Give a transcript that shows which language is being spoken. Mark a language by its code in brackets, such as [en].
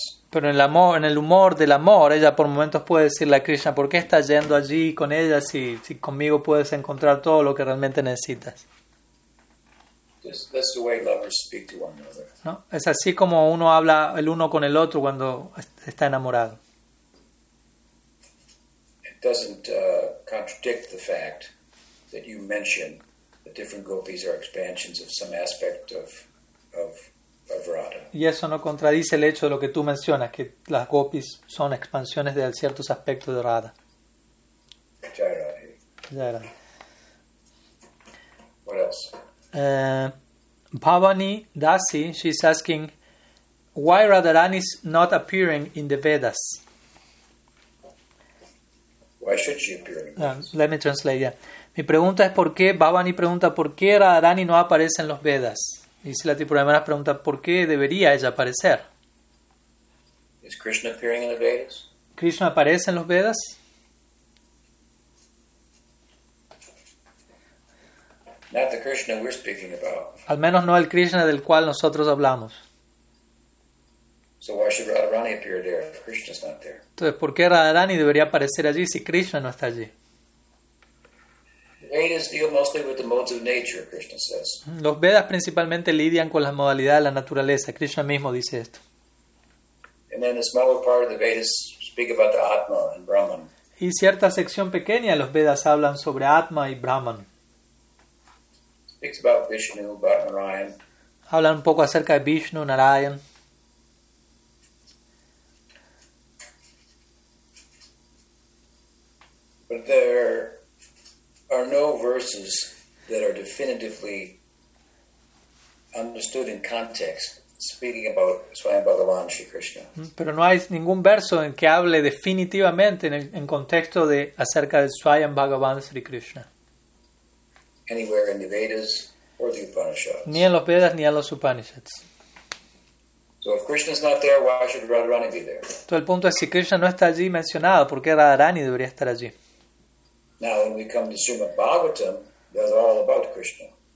[es] Pero en el amor, en el humor del amor, ella por momentos puede decirle a Krishna, ¿por qué estás yendo allí con ella si conmigo puedes encontrar todo lo que realmente necesitas? [en] That's the way lovers speak to one another. [es] ¿No? Es así como uno habla el uno con el otro cuando está enamorado. [en] It doesn't contradict the fact that you mention that different gopis are expansions of some aspect of Radha. [es] Y eso no contradice el hecho de lo que tú mencionas, que las gopis son expansiones de ciertos aspectos de Radha. [hi] Jai Radha. Jai Radha. [en] What else? Bhavani Dasi, she's asking, why Radharani is not appearing in the Vedas? Why should she appear in the Vedas? Let me translate, yeah. [es] Mi pregunta es por qué, Bhavani pregunta, ¿por qué Radharani no aparece en los Vedas? Y si la tipo de manera pregunta, ¿por qué debería ella aparecer? [en] Is Krishna appearing in the Vedas? [es] ¿Krishna aparece en los Vedas? [en] Not the Krishna we're speaking about. [es] Al menos no el Krishna del cual nosotros hablamos. [en] So why should Radharani appear there if Krishna's not there? [es] Entonces, ¿por qué Radharani debería aparecer allí si Krishna no está allí? [en] Vedas deal mostly with the modes of nature, Krishna says. [es] Los Vedas principalmente lidian con las modalidades de la naturaleza. Krishna mismo dice esto. [en] And then the smaller part of the Vedas speak about the Atma and Brahman. [es] Y cierta sección pequeña de los Vedas hablan sobre Atma y Brahman. [en] Speaks about Vishnu, about Narayan. [es] Hablan un poco acerca de Vishnu, Narayan. [en] But there are no verses that are definitively understood in context speaking about Swami Bhagavan Sri Krishna. [es] Pero no hay ningún verso en que hable definitivamente en contexto de acerca de Swami Bhagavan Sri Krishna. [en] Anywhere in the Vedas or the Upanishads. [es] Ni en los Vedas ni en los Upanishads. [en] So if Krishna's not there, why should Radharani be there? [es] Todo el punto es, si Krishna no está allí mencionado, ¿por qué Radharani debería estar allí? [en] Now when we come to Srimad Bhagavatam, that's all about Krishna.